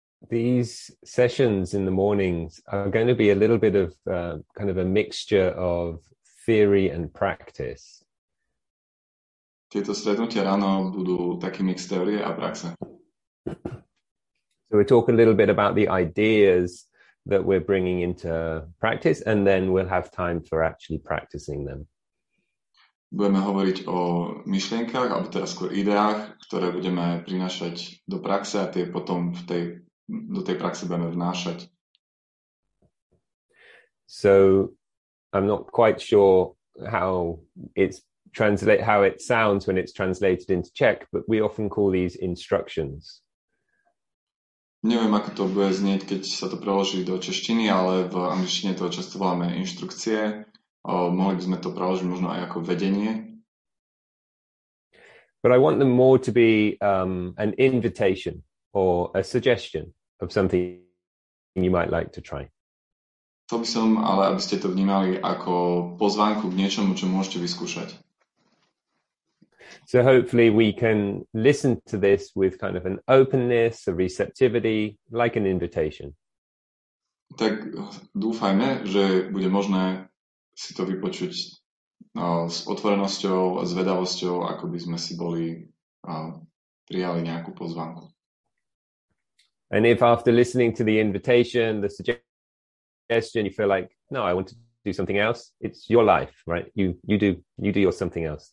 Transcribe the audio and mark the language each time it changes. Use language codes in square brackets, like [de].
[en] These sessions in the mornings are going to be a little bit of kind of a mixture of theory and practice. [sk] Tieto stretnutia ráno budú taký mix teórie a praxe. [en] So we talk a little bit about the ideas that we're bringing into practice, and then we'll have time for actually practicing them. [sk] Budeme hovoriť o myšlienkach, alebo teraz skôr ideách, ktoré budeme prinášať do praxe a tie potom v tej, do tej praxe budeme vnášať. [en] So I'm not quite sure how it's translate, how it sounds when it's translated into Czech, but we often call these instructions. [sk] Neviem, ako to bude znieť, keď sa to preloží do češtiny, ale v angličtine to často voláme inštrukcie. Mohli by sme to preložiť možno aj ako vedenie. [en] But I want them more to be an invitation or a suggestion of something you might like to try. [sk] To by som, ale aby ste to vnímali ako pozvánku k niečomu, čo môžete vyskúšať. [en] So hopefully we can listen to this with kind of an openness, a receptivity, like an invitation. [sk] Tak dúfajme, že bude možné si to vypočuť s otvorenosťou a zvedavosťou, ako by sme si boli prijali nejakú pozvánku. [en] And if after listening to the invitation, the suggestion, you feel like, no, I want to do something else, it's your life, right? You do your something else.